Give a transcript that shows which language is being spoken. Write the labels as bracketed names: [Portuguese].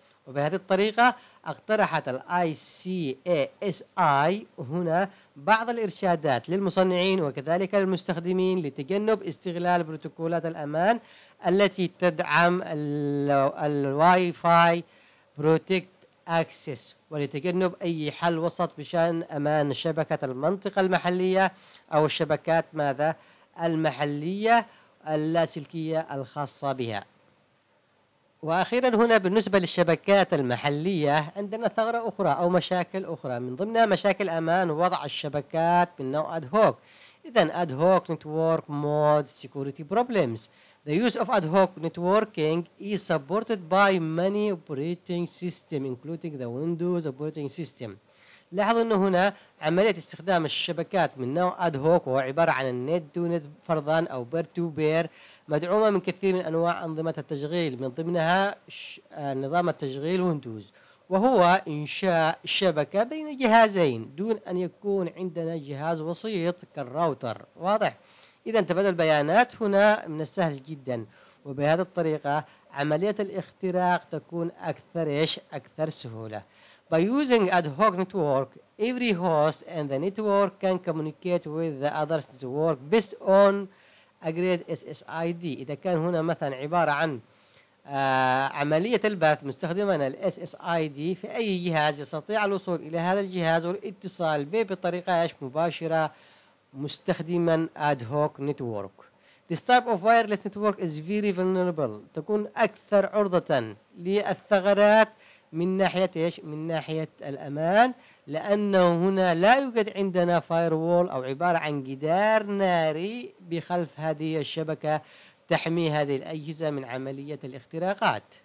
[Arabic] وبهذه الطريقة اقترحت الـ ICASI هنا بعض الإرشادات للمصنعين وكذلك للمستخدمين لتجنب استغلال بروتوكولات الأمان التي تدعم الـ Wi-Fi Protect Access، ولتجنب أي حل وسط بشأن أمان شبكة المنطقة المحلية أو الشبكات ماذا؟ المحلية اللاسلكية الخاصة بها. وأخيرا هنا بالنسبة للشبكات المحلية عندنا ثغرة أخرى أو مشاكل أخرى، من ضمنها مشاكل أمان ووضع الشبكات من نوع أد هوك. [English] إذن ad hoc network mode security problems. The use of ad hoc networking is supported by many operating systems including the Windows operating system. [Arabic] لاحظوا أنه هنا عملية استخدام الشبكات من نوع ad hoc وهو عبارة عن النت تو نت فرضا أو بير تو بير مدعومة من كثير من أنواع أنظمة التشغيل، من ضمنها نظام التشغيل Windows، وهو إنشاء شبكة بين جهازين دون أن يكون عندنا جهاز وسيط كالراوتر. واضح؟ إذا تبادل البيانات هنا من السهل جدا، وبهذه الطريقة عملية الاختراق تكون أكثر إيش؟ أكثر سهولة. [English] By using ad hoc network, every host in the network can communicate with the others network based on agreed SSID. [Arabic] إذا كان هنا مثلا عبارة عن عملية البث مستخدمنا الـ SSID في أي جهاز يستطيع الوصول إلى هذا الجهاز والاتصال به بطريقة إيش؟ مباشرة مستخدماً ad hoc network. [English] This type of wireless network is very vulnerable. [Arabic] تكون أكثر عرضة للثغرات من ناحية إيش؟ من ناحية الأمان، لأنه هنا لا يوجد عندنا firewall أو عبارة عن جدار ناري بخلف هذه الشبكة تحمي هذه الأجهزة من عملية الاختراقات.